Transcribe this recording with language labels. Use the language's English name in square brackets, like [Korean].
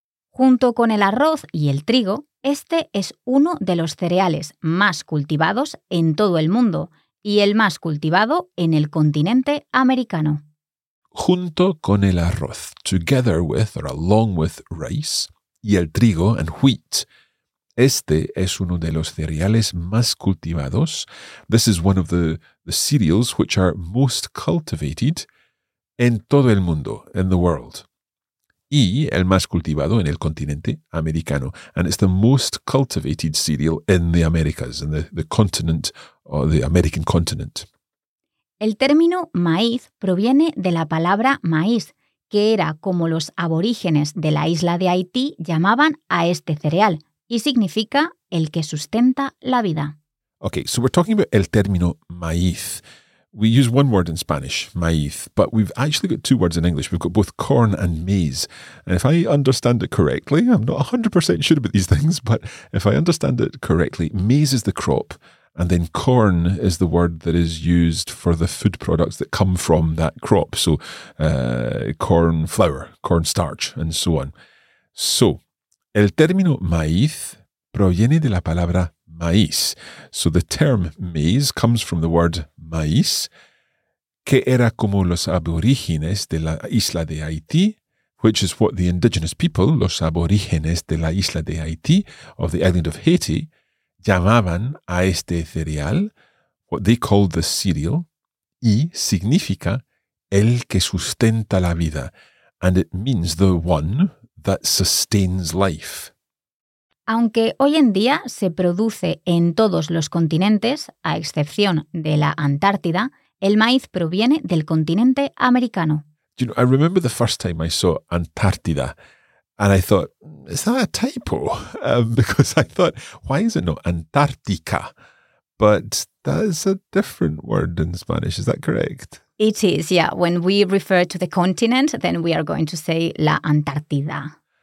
[Spanish] Junto con el arroz y el trigo, este es uno de los cereales más cultivados en todo el mundo y el más cultivado en el continente americano. Junto con el arroz, [English] together with or along with rice, [Spanish] y el trigo [English] and wheat. [Spanish] Este es uno de los cereales más cultivados. [English] This is one of the cereals which are most cultivated [Spanish] en todo el mundo, [English] in the world. [Spanish] Y el más cultivado en el continente americano. [English] And it's the most cultivated cereal in the Americas, in the continent or the American continent. [Spanish] El término maíz proviene de la palabra maíz, que era como los aborígenes de la isla de Haití llamaban a este cereal, y significa el que sustenta la vida. [English] Okay, so we're talking about [Spanish] el término maíz. [English] We use one word in Spanish, maíz, but we've actually got two words in English. We've got both corn and maize. And if I understand it correctly, I'm not 100% sure about these things, but if I understand it correctly, maize is the crop, and then corn is the word that is used for the food products that come from that crop. So corn flour, corn starch, and so on. [Spanish] So, el término maíz proviene de la palabra maíz. [English] So the term maize comes from the word [Spanish] maíz, que era como los aborígenes de la isla de Haití, [English] which is what the indigenous people, [Spanish] los aborígenes de la isla de Haití, [English] of the island of Haiti, [Spanish] llamaban a este cereal, [English] what they called the cereal, [Spanish] y significa el que sustenta la vida. [English] And it means the one that sustains life. [Spanish] Aunque hoy en día se produce en todos los continentes, a excepción de la Antártida, el maíz proviene del continente americano. [English] You know, I remember the first time I saw Antártida. And I thought, is that a typo? Because I thought, why is it not Antártica? But that is a different word in Spanish. Is that correct? It is, yeah. When we refer to the continent, then we are going to say la Antártida.